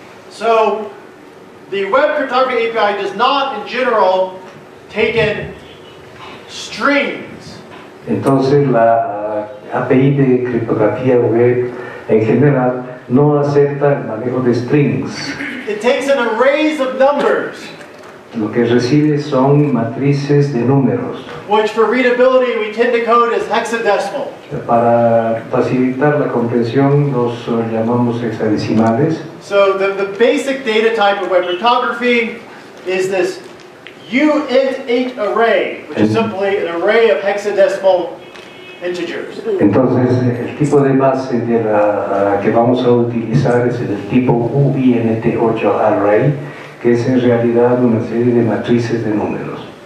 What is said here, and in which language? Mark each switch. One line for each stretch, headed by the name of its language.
English: So, the web cryptography API does not, in general, take in strings.
Spanish: Entonces la API de criptografía web en general no acepta el manejo de strings.
English: It takes an arrays of numbers.
Spanish: Lo que recibe son matrices de números.
English: Which for readability we tend to code as hexadecimal.
Spanish: Para facilitar la comprensión los llamamos hexadecimales.
English: So the basic data type of web cryptography is this UINT array, which is simply an array of hexadecimal integers.
Spanish: Entonces, el tipo de base de la que vamos a utilizar es el tipo UINT8 array, que es en realidad una serie de matrices de números.